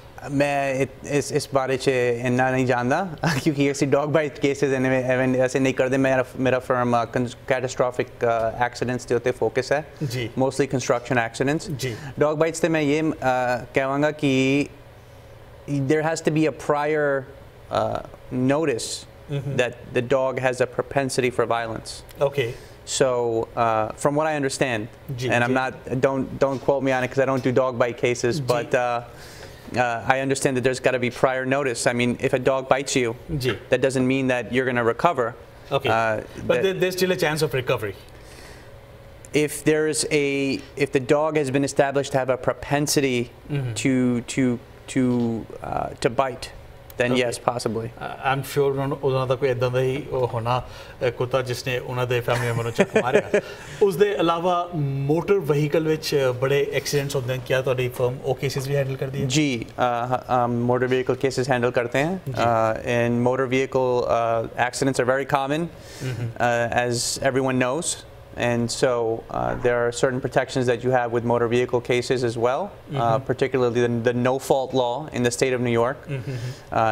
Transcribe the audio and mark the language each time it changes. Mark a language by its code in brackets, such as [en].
[pa] ਮੈਂ ਇਸ ਬਾਰੇ 'ਚ ਇੰਨਾ ਨਹੀਂ ਜਾਣਦਾ ਕਿਉਂਕਿ ਅਸੀਂ ਡੋਗ ਬਾਈਟ ਕੇਸਿਸ ਐਵੇਂ ਅਸੀਂ ਨਹੀਂ ਕਰਦੇ. ਮੇਰਾ ਫਰਮ ਕੈਟਾਸਟ੍ਰੋਫਿਕ ਐਕਸੀਡੈਂਟਸ ਦੇ ਉੱਤੇ ਫੋਕਸ ਹੈ ਜੀ, ਮੋਸਟਲੀ ਕੰਸਟਰਕਸ਼ਨ ਐਕਸੀਡੈਂਟਸ ਜੀ. ਡੋਗ ਬਾਈਟਸ 'ਤੇ ਮੈਂ ਇਹ ਕਹਾਂਗਾ ਕਿ [en] There has to be a prior notice mm-hmm. that the dog has a propensity for violence. Okay. So from what I understand, don't quote me on it because I don't do dog bite cases, I understand that there's got to be prior notice. I mean, if a dog bites you, that doesn't mean that you're going to recover. Okay. But there's still a chance of recovery. If the dog has been established to have a propensity mm-hmm. to bite, then okay. yes, possibly. I'm sure [pa] ਉਹਨਾਂ ਦਾ ਕੋਈ ਇਦਾਂ ਦਾ ਹੀ ਉਹ ਹੋਣਾ ਕੁੱਤਾ ਜਿਸਨੇ ਉਹਨਾਂ ਦੇ family member ਨੂੰ ਚੱਕ ਮਾਰਿਆ। ਉਸ ਦੇ ਇਲਾਵਾ ਮੋਟਰ ਵਹੀਕਲ ਵਿੱਚ ਬੜੇ ਐਕਸੀਡੈਂਟਸ ਹੁੰਦੇ ਹਨ, ਕੀ ਤੁਹਾਡੀ ਫਰਮ ਉਹ ਕੇਸਿਸ ਵੀ ਹੈਂਡਲ ਕਰਦੀ ਹੈ? ਜੀ, ਮੋਟਰ ਵਹੀਕਲ ਕੇਸਿਸ ਹੈਂਡਲ ਕਰਤੇ ਹਨ। [en] And motor vehicle accidents are very common as everyone knows, and so there are certain protections that you have with motor vehicle cases as well, mm-hmm. Particularly the no-fault law in the state of New York. Mm-hmm.